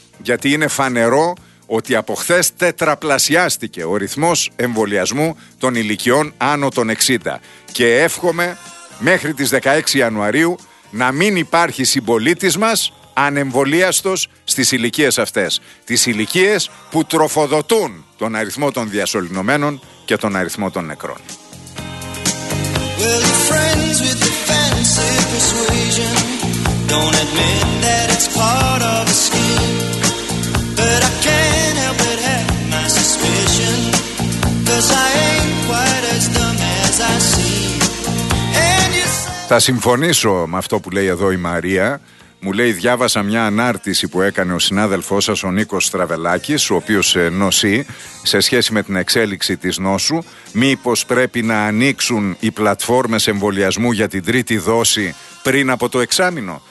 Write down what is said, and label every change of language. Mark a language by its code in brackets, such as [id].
[el] Γιατί είναι φανερό ότι από χθες τετραπλασιάστηκε ο ρυθμός εμβολιασμού των ηλικιών άνω των 60. Και εύχομαι μέχρι τις 16 Ιανουαρίου να μην υπάρχει συμπολίτης μας ανεμβολίαστος στις ηλικίες αυτές. Τις ηλικίες που τροφοδοτούν τον αριθμό των διασωληνωμένων και τον αριθμό των νεκρών. [en] Well, friends with the fancy persuasion, don't admit that it's part of the scheme. But I can't help but have my suspicion, 'cause I ain't quite as dumb as I seem. And you say... [el] Θα συμφωνήσω με αυτό που λέει εδώ η Μαρία. Μου λέει, διάβασα μια ανάρτηση που έκανε ο συνάδελφός σας, ο Νίκος Στραβελάκης, ο οποίος νοσεί, σε σχέση με την εξέλιξη της νόσου. Μήπως πρέπει να ανοίξουν οι πλατφόρμες εμβολιασμού για την τρίτη δόση πριν από το εξάμηνο?